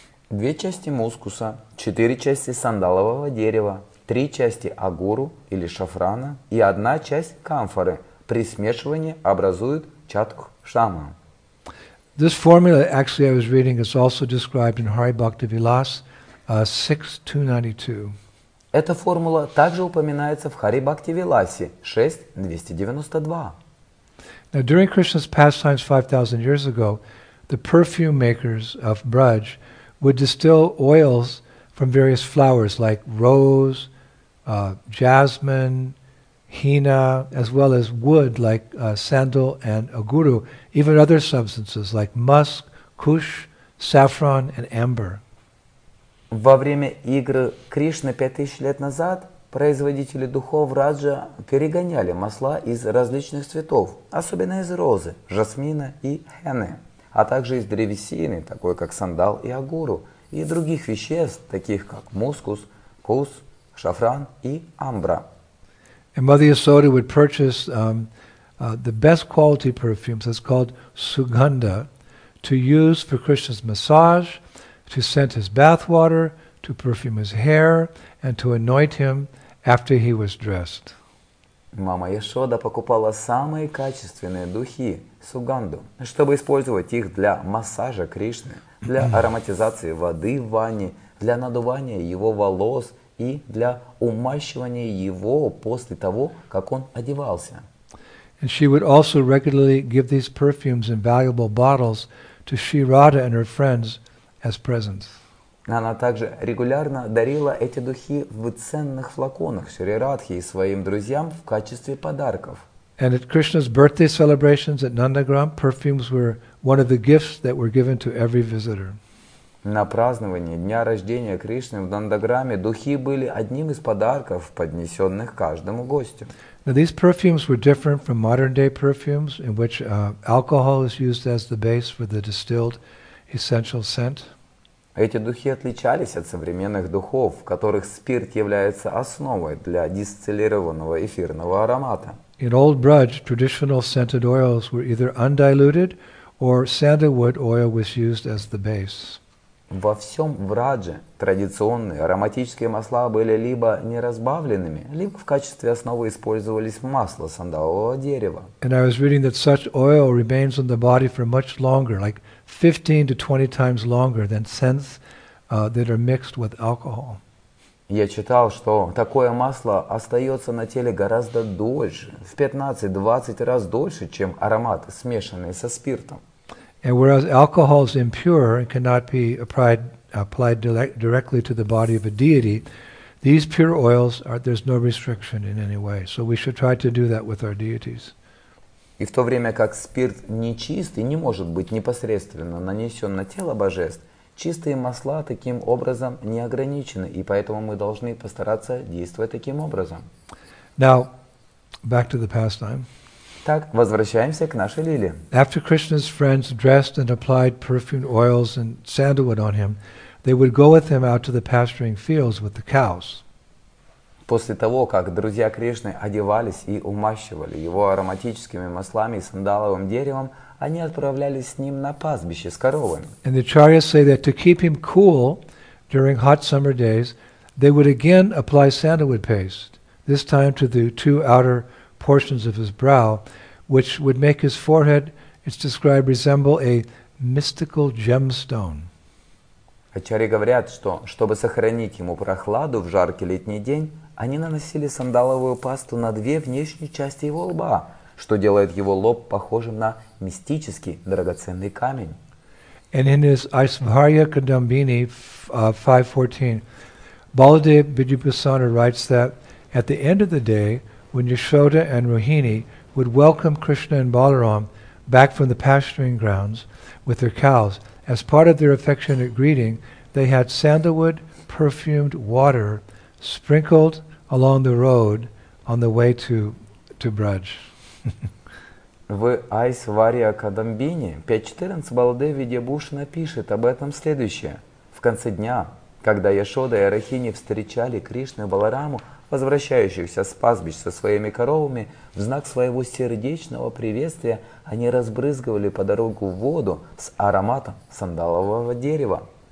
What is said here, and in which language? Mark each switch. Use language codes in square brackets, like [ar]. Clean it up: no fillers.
[ru] Две части мускуса, четыре части сандалового дерева, три части агуру или шафрана и одна часть камфоры при смешивании образуют чатушама. [en] This formula, actually, I was reading, is also described in Hari Bhakti Vilas 6.292. [ru] Эта формула также упоминается в Хари Бхакти Виласе 6.292. [en] Now, during Krishna's pastimes 5,000 years ago, the perfume makers of Braj would distill oils from various flowers like rose, jasmine, henna, as well as wood like sandal and aguru, even other substances like musk, kush, saffron and amber. [ru] Во время игры Кришны 5000 лет назад производители духов Раджа перегоняли масла из различных цветов, особенно из розы, жасмина и хены, а также из древесины, такой как сандал и агуру, и других веществ, таких как мускус, кус, шафран и амбра. [en] And Mother Yasoda would purchase the best quality perfumes, that's called sugandha, to use for Krishna's massage, to scent his bath water, to perfume his hair, and to anoint him after he was dressed. [ru] Мама Яшода покупала самые качественные духи, суганду, чтобы использовать их для массажа Кришны, для ароматизации воды в ванне, для надувания его волос и для умащивания его после того, как он одевался. [en] And she would also regularly give these perfumes in valuable bottles to Sri Radha and her friends as presents. [ru] Она также регулярно дарила эти духи в ценных флаконах Шри Радхи и своим друзьям в качестве подарков. [en] And at Krishna's birthday celebrations at Nandagram, perfumes were one of the gifts that were given to every visitor. [ru] На праздновании дня рождения Кришны в Нандаграме духи были одним из подарков, поднесенных каждому гостю. [en] Now these perfumes were different from modern-day perfumes, in which alcohol is used as the base for the distilled essential scent. [ru] Эти духи отличались от современных духов, в которых спирт является основой для дистиллированного эфирного аромата. [en] In old Braj, traditional scented oils were either undiluted or sandalwood oil was used as the base. [ru] Во всем Врадже традиционные ароматические масла были либо неразбавленными, либо в качестве основы использовались масло сандалового дерева. [en] And I was reading that such oil remains on the body for much longer, like 15 to 20 times longer than scents that are mixed with alcohol. [ru] Я читал, что такое масло остается на теле гораздо дольше, в 15-20 раз дольше, чем ароматы, смешанные со спиртом. [en] And whereas alcohol is impure and cannot be applied directly to the body of a deity, these pure oils, there's no restriction in any way. So we should try to do that with our deities. [ru] И в то время как спирт нечистый, не может быть непосредственно нанесен на тело божеств, чистые масла таким образом не ограничены, и поэтому мы должны постараться действовать таким образом. [en] Now, back to the pastime. [ru] Так, возвращаемся к нашей лиле. [en] After Krishna's friends dressed and applied perfumed oils and sandalwood on him, they would go with him out to the pasturing fields with the cows. [ru] После того, как друзья Кришны одевались и умащивали его ароматическими маслами и сандаловым деревом, они отправлялись с ним на пастбище с коровами. [en] And the acharyas say that to keep him cool during hot summer days, they would again apply sandalwood paste, this time to the two outer portions of his brow, which would make his forehead, it's described, resemble a mystical gemstone. [ru] Ачарьи говорят, что, чтобы сохранить ему прохладу в жаркий летний день, они наносили сандаловую пасту на две внешние части его лба, что делает его лоб похожим на мистический драгоценный камень. [en] And in his Aishvarya Kadambini 5.14, Baladev Vidyabhusana writes that at the end of the day, when Yashoda and Rohini would welcome Krishna and Balaram back from the pasturing grounds with their cows, as part of their affectionate greeting, they had sandalwood perfumed water sprinkled along the road on the way to Braj. [ru] В Айсварья Кадамбини 5.14 Баладев Видьябушана пишет об этом следующее. В конце дня, когда Яшода и Арахини встречали Кришну и Балараму, возвращающихся с пастбищ со своими коровами, в знак своего сердечного приветствия они разбрызгивали по дорогу воду с ароматом сандалового дерева.